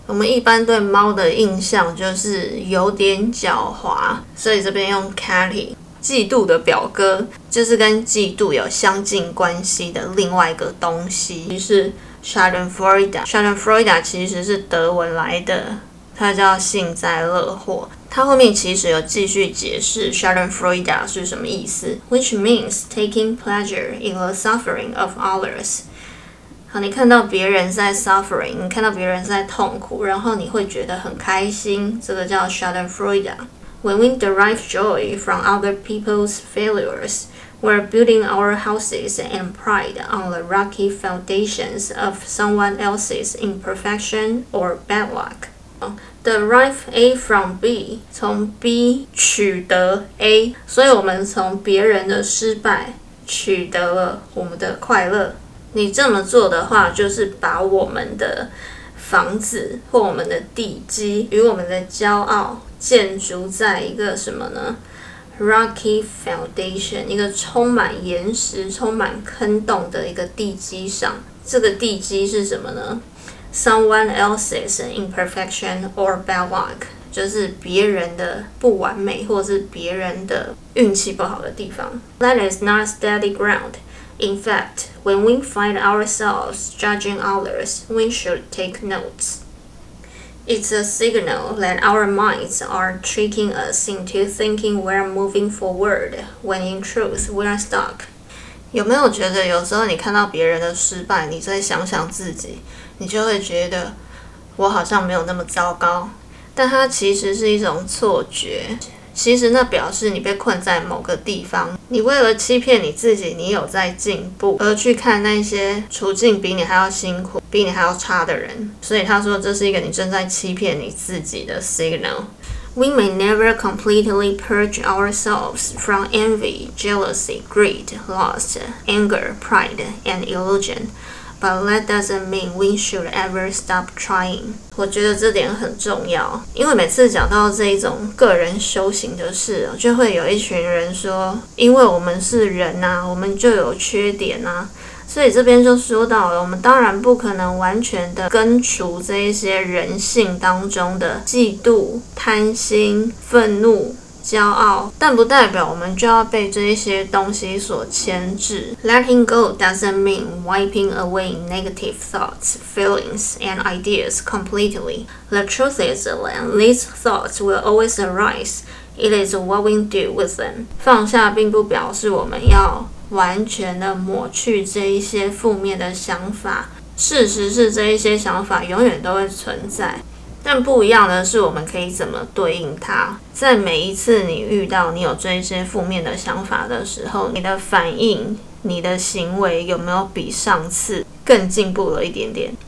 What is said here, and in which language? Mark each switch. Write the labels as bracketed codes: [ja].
[zh] 我们一般对猫的印象就是有点狡猾，所以这边用 catty。嫉妒的表哥就是跟嫉妒有相近关系的另外一个东西，于是 Schadenfreude。 Schadenfreude 其实是德文来的，它叫幸灾乐祸。它后面其实有继续解释 Schadenfreude 是什么意思 ， [en] which means taking pleasure in the suffering of others。 [zh] 好，你看到别人在 suffering， 你看到别人在痛苦，然后你会觉得很开心，这个叫 Schadenfreude。 [en] When we derive joy from other people's failures, we're building our houses and pride on the rocky foundations of someone else's imperfection or bad luck. Derive A from B, [zh] 从 B 取得 A, 所以我们从别人的失败取得了我们的快乐。你这么做的话，就是把我们的房子或我们的地基与我们的骄傲建筑在一个什么呢 ？ [en] Rocky foundation， [zh] 一个充满岩石、充满坑洞的一个地基上。这个地基是什么呢 ？ [en] Someone else's imperfection or bad luck， [zh] 就是别人的不完美，或是别人的运气不好的地方。 [en] That is not steady ground。 In fact, when we find ourselves judging others, we should take notes. It's a signal that our minds are tricking us into thinking we're moving forward, when in truth we're stuck. [zh] 有没有觉得有时候你看到别人的失败，你再想想自己，你就会觉得我好像没有那么糟糕？但它其实是一种错觉。其实那表示你被困在某个地方，你为了欺骗你自己，你有在进步，而去看那些处境比你还要辛苦、比你还要差的人。所以他说，这是一个你正在欺骗你自己的 signal。 [en] We may never completely purge ourselves from envy, jealousy, greed, lust, anger, pride, and illusion, but that doesn't mean we should ever stop trying。 [zh] 我觉得这点很重要，因为每次讲到这一种个人修行的事，就会有一群人说，因为我们是人啊，我们就有缺点啊，所以这边就说到了，我们当然不可能完全的根除这一些人性当中的嫉妒、贪心、愤怒、骄傲，但不代表我们就要被这些东西所牵制。 [en] Letting go doesn't mean wiping away negative thoughts, feelings, and ideas completely. The truth is that these thoughts will always arise. It is what we do with them. [zh] 放下并不表示我们要完全的抹去这一些负面的想法。事实是，这一些想法永远都会存在。但不一样的是，我们可以怎么对应它。在每一次你遇到你有这些负面的想法的时候，你的反应、你的行为有没有比上次更进步了一点点？